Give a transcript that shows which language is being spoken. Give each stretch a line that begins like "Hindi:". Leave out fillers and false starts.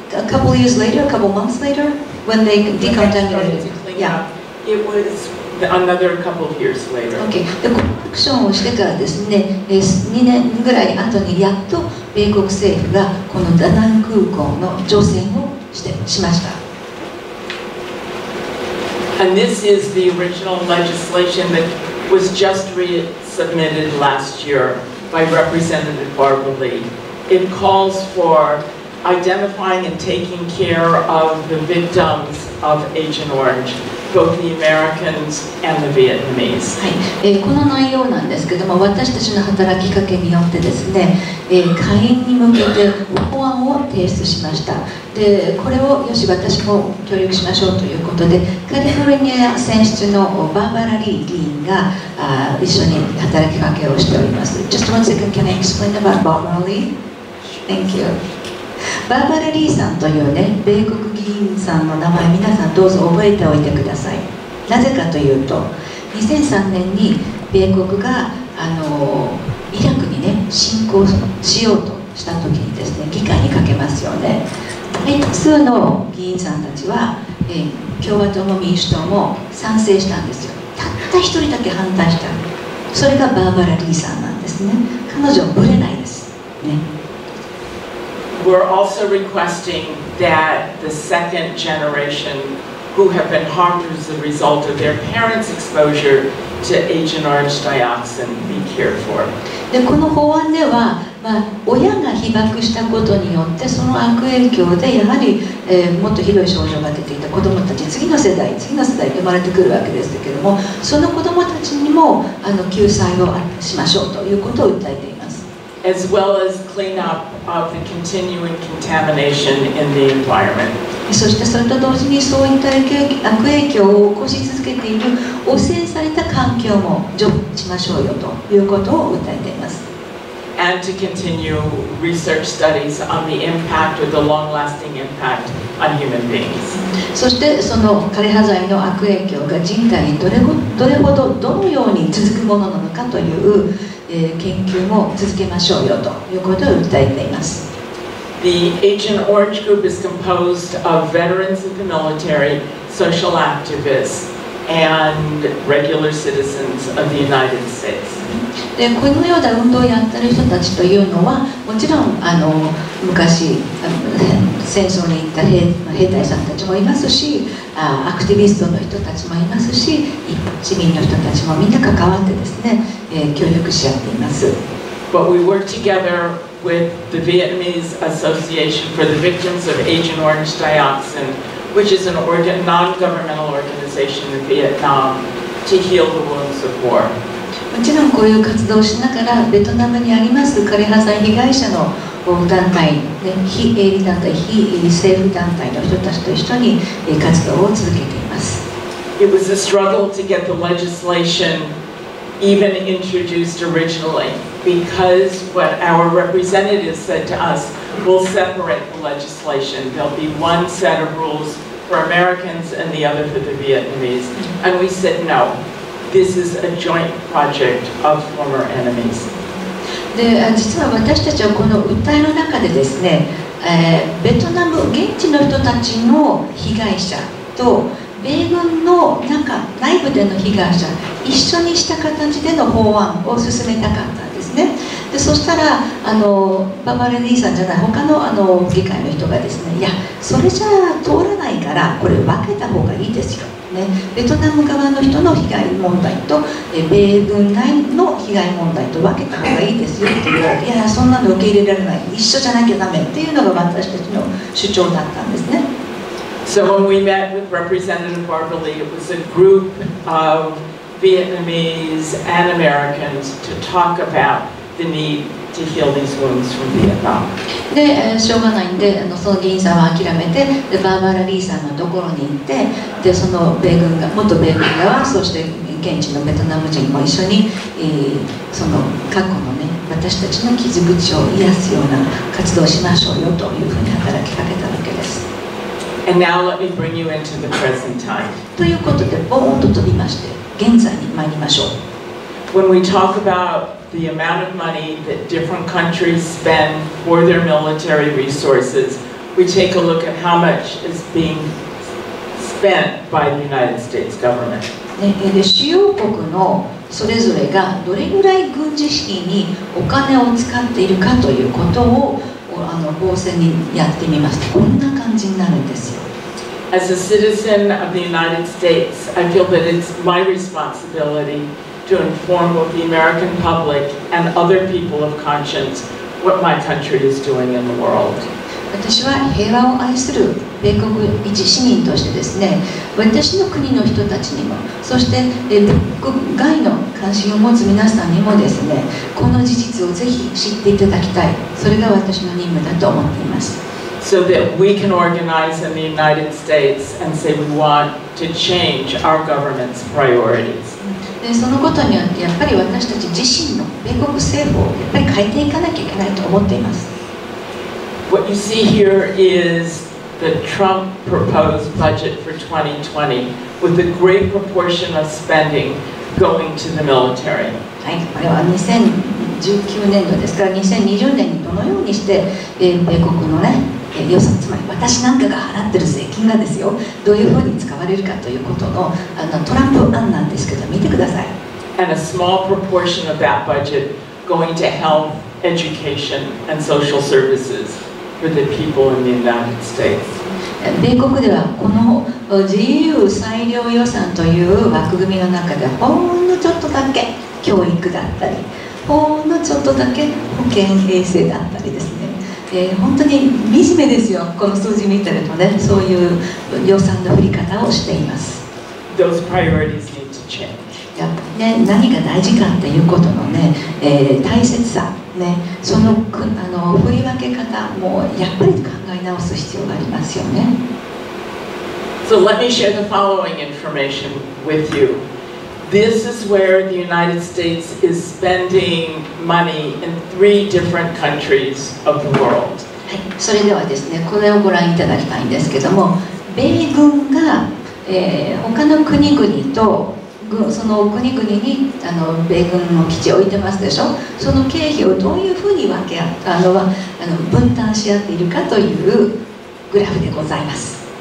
English: A couple years later, a couple months later, when they decontaminated. Yeah. It was another couple of years later. Okay.
Japanese: で、コレクションをしてからですね、2年ぐらい後にやっと米国政府がこのダナン空港の除染をしました。
English: And this is the original legislation that was just resubmitted last year by Representative Barbara Lee. It calls for identifying and taking care of the victims of Agent Orange, both the Americans and the Vietnamese.
Japanese: はい、この内容なんですけども、私たちの働きかけによってですね、下院に向けて法案を提出しました。で、これをよし私も協力しましょうということで、カリフォルニア選出のバーバラ・リー議員が一緒に働きかけをしております。
English: Just one second, can I explain about Barbara Lee? Thank you.
Japanese: バーバラ・リーさんというね、米国議員さんの名前、皆さんどうぞ覚えておいてください。なぜかというと、2003年に米国がイラクにね、侵攻しようとしたときにですね、議会にかけますよね。複数の議員さんたちは、共和党も民主党も賛成したんですよ。たった一人だけ反対した。それがバーバラ・リーさんなんですね。彼女はぶれないです。ね。
English: We're also requesting that the second generation who have been harmed as a result of their parents' exposure to Agent Orange dioxin be cared for.
Japanese: で、この法案では、まあ、親が被爆したことによってその悪影響でやはり、もっとひどい症状が出ていた子どもたち、次の世代に生まれてくるわけですけれども、その子どもたちにも救済をしましょうということを訴えています。
English: As well as clean up of the continuing contamination in the environment.
Japanese: そしてそれと同時にそういった悪影響を起こし続けている汚染された環境も除去しましょうよということを訴えています。
English: And to continue research studies on the impact or the long-lasting impact on human beings.
Japanese: そしてその枯葉剤の悪影響が人体にどれほどどのように続くものなのかという研究も続けましょうよということを訴えています。
English: The Agent Orange Group is composed of veterans of the military, social activists, and regular citizens of the United States.
Japanese: で、このような運動をやっている人たちというのは、もちろん昔戦争に行った兵隊さんたちもいますし、アクティビストの人たちもいますし、市民の人たちもみんな関わってですね、協力し合っています。
English: But we work together with the Vietnamese Association for the Victims of Agent Orange Dioxin, which is an non-governmental organization in Vietnam, to heal the wounds of war.
Japanese: もちろんこういう活動をしながら、ベトナムにあります枯葉剤被害者の団体、ね、非営利団体、非政府団体の人たちと一緒に活動を続けています。
English: It was a struggle to get the legislation even introduced originally because what our representatives said to us, we'll separate the legislation. There'll be one set of rules for Americans and the other for the Vietnamese. And we said, no, this is a joint project of former enemies.
Japanese: で、実は私たちはこの訴えの中でですね、ベトナム現地の人たちの被害者と米軍の中内部での被害者一緒にした形での法案を進めたかったんですね。で、そしたらバーバラ・リーさんじゃない他の議会の人がですね、いやそれじゃ通らないからこれ分けた方がいいですよ、ね、ベトナム側の人の被害問題と米軍内の被害問題と分けた方がいいですよっていう、いやそんなの受け入れられない、一緒じゃなきゃダメっていうのが私たちの主張だったんですね。
English: So when we met with Representative Barbara Lee, it was a group of Vietnamese and Americans to talk about the need to heal these wounds from Vietnam.
Japanese: で、しょうがないんで、その議員さんは諦めて、で、バーバラ・リーさんのところに行って、で、その米軍が、元米軍側、そして現地のベトナム人も一緒に、その過去のね、私たちの傷口を癒すような活動をしましょうよというふうに働きかけたわけです。
English: And now let me bring you into the present time.
Japanese: ということで、ボーンと飛びまして、現在に参りましょう。
English: When we talk about the amount of money that different countries spend for their military resources, we take a look at how much is being spent by the United States government.
Japanese: 主要国のそれぞれがどれぐらい軍事資金にお金を使っているかということを防戦にやってみますと、こんな感じになるんですよ。
English: As a citizen of the United States, I feel that it's my responsibility to inform both the American public and other people of conscience what my country is doing in the world.
Japanese: 私は平和を愛する米国一市民としてですね、私の国の人たちにも、そして国外の関心を持つ皆さんにもですね、この事実をぜひ知っていただきたい。それが私の任務だと思っています。
English: So that we can organize in the United States and say we want to change our government's priorities.
Japanese: でそのことによってやっぱり私たち自身の米国政府をやっぱり変えていかなきゃいけないと思っています。
English: What you see here is the Trump proposed budget for 2020 with a great proportion of spending going to the military.
Japanese: はい、これは2019年度ですから2020年にどのようにして、米国のね、予算、つまり私なんかが払ってる税金がですよ、どういうふうに使われるかということの、トランプ案なんですけど、見てください。
English: And a small proportion of that budget going to health, education, and social services. For the people in the United States.
Japanese: 米国ではこの自由裁量予算という枠組みの中でほんのちょっとだけ教育だったり、ほんのちょっとだけ保健衛生だったりですね、本当に惨めですよ、この数字見てるとね、そういう予算の振り方をしています。
English: Those priorities need to change.
Japanese: やっぱりね、何が大事かっていうことのね、大切さね、その、 振り分け方もやっぱり考え直す必要がありますよね。
English: So let me share the following information with you. This is where the United States is spending money in three different countries of the world.
Japanese: はい、それではですね、これをご覧いただきたいんですけども、米軍が、他の国々とその国々に米軍の基地を置いてますでしょ。その経費をどういうふうに分け合ったのは分担し合っているかというグラフでございます。